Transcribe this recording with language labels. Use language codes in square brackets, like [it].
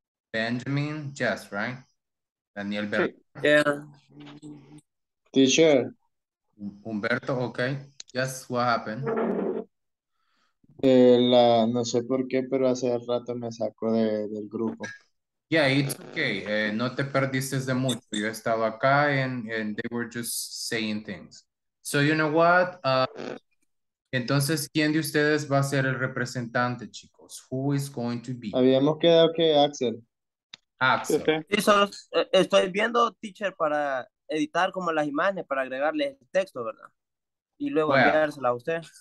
[en] Benjamin, yes, right? Daniel Berto. Yeah. Teacher. Humberto, okay. Yes, what happened? [es] No sé por qué, pero hace rato me sacó del grupo. [en] Yeah, it's okay. [es] No te perdiste de mucho. Yo he estado acá [en] and they were just saying things. So you know what? [es] Entonces, ¿quién de ustedes va a ser el representante, chicos? [en] Who is going to be? [es] Habíamos quedado que Axel. Axel. [en] Okay. [es] Sí, solo estoy viendo, teacher, para editar como las imágenes, para agregarle el texto, ¿verdad? Y luego bueno, enviársela a usted.